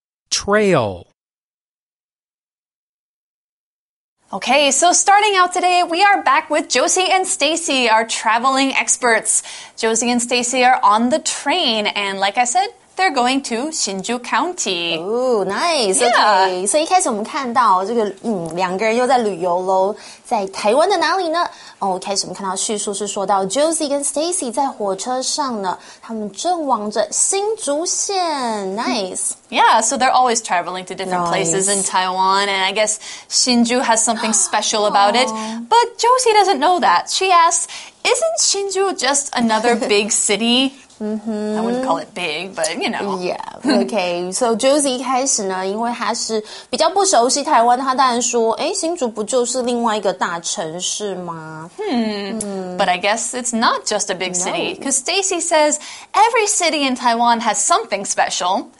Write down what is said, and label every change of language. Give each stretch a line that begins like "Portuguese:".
English: Trail. Okay, so starting out today, we are back with Josie and Stacy, our traveling experts. Josie and Stacy are on the train, and like I said, they're going to Hsinchu County. Ooh, nice. Okay.
Chinese: Yeah. 所以一开始我们看到这个两个人又在旅游咯。在台湾的哪里呢？哦，一开始我们看到叙述是说到 Josie 跟 Stacy 在火车上呢，他们正往着新竹县。Nice.
English: Yeah, so they're always traveling to different places in Taiwan, and I guess Hsinchu has something special about it. But Josie doesn't know that. She asks, isn't Hsinchu just another big city? Mm-hmm. I wouldn't call it big, but, you know. Yeah, okay.
Chinese: So, Josie 一开始呢，因为他是比较不熟悉台湾，他当然说，诶，新竹不就是另外一个大城市吗？
English: But I guess it's not just a big city. Because Stacy says, every city in Taiwan has something special.